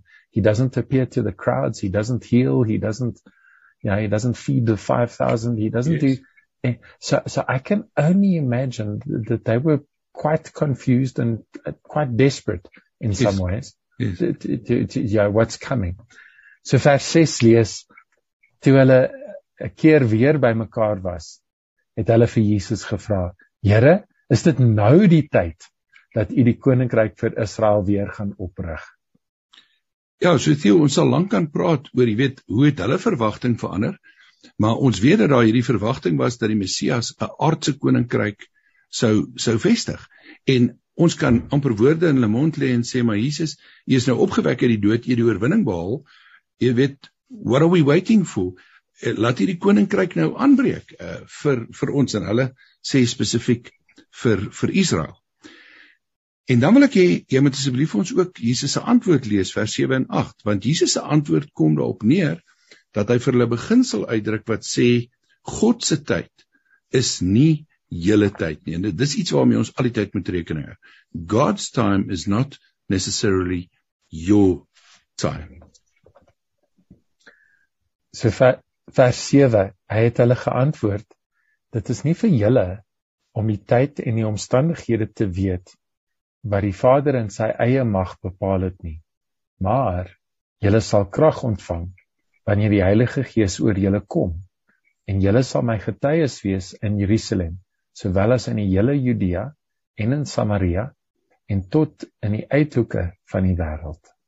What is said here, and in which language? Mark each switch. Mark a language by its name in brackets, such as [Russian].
[English] He doesn't appear to the crowds. He doesn't heal. He doesn't, you know, he doesn't feed the 5,000. He doesn't do. So I can only imagine that they were quite confused and quite desperate in some ways. What's coming? [Afrikaans] So vers 6 lees, toe hulle 'n keer weer by mekaar was, het hulle vir Jesus gevra, Here, is dit nou die tyd dat u die koninkryk vir Israel weer gaan oprig? Ja, so Theo, ons sal lank kan praat oor, jy weet, hoe het hulle verwagting verander, maar ons weet dat daar hierdie verwagting was dat die Messias 'n aardse koninkryk sou vestig. En ons kan amper woorde in hulle mond lê en sê, maar Jesus, jy is nou opgewek uit die dood, jy het die oorwinning behaal. Jy weet, [English] what are we waiting for? [Afrikaans] Laat hierdie koninkryk nou aanbreek vir ons, en hulle sê spesifiek vir Israel. En dan wil ek hê jy moet asseblief ons ook Jesus se antwoord lees vers 7 en 8, want Jesus se antwoord kom daarop neer dat hy vir hulle beginsel uitdruk wat sê God se tyd is nie julle tyd nie. En dit is iets waarmee ons al die tyd moet rekening hou. [English] God's time is not necessarily your time. [Afrikaans] Vers 7, hy het hulle geantwoord, dit is nie vir julle om die tyd en die omstandighede te weet, wat die Vader in sy eie mag bepaal het nie, maar julle sal krag ontvang, wanneer die Heilige Gees oor julle kom, en julle sal my getuies wees in Jerusalem, sowel as in die hele Judea en in Samaria, en tot in die uithoeke van die wêreld.